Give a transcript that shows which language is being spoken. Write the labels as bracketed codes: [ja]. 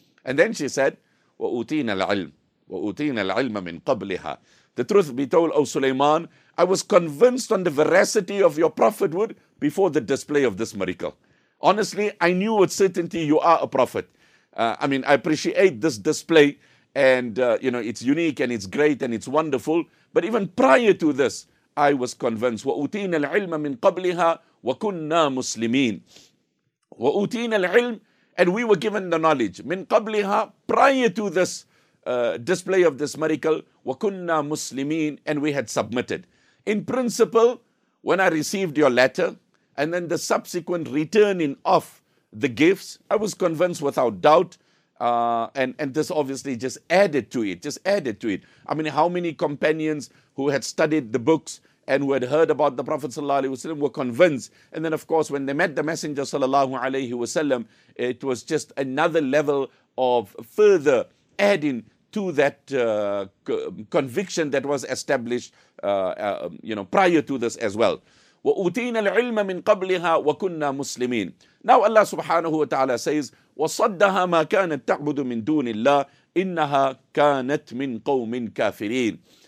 [en] And then she said, [ar] wa'utina al-ilm. [en] The truth be told, O Sulaiman, I was convinced on the veracity of your prophethood before the display of this miracle. Honestly, I knew with certainty you are a prophet. I appreciate this display, and it's unique and it's great and it's wonderful. But even prior to this, I was convinced. [ar] وَأُوتِينَ الْعِلْمَ مِنْ قَبْلِهَا وَكُنَّا مُسْلِمِينَ وَأُوتِينَ الْعِلْمَ, [en] and we were given the knowledge. [ar] مِنْ قَبْلِهَا, [en] prior to this, display of this miracle, [ar] وَكُنَّا مُسْلِمِينَ, [en] and we had submitted. In principle, when I received your letter and then the subsequent returning of the gifts, I was convinced without doubt, and this obviously just added to it. I mean, how many companions who had studied the books and who had heard about the Prophet ﷺ were convinced. And then, of course, when they met the Messenger ﷺ, it was just another level of further adding to that conviction that was established prior to this as well. [ar] وَأُوتِينَ الْعِلْمَ مِنْ قَبْلِهَا وَكُنَّا مُسْلِمِينَ. [en] Now Allah subhanahu wa ta'ala says, [ar] وَصَدَّهَا مَا كَانَتْ تَعْبُدُ مِنْ دُونِ اللَّهِ إِنَّهَا كَانَتْ مِنْ قَوْمٍ كَافِرِينَ.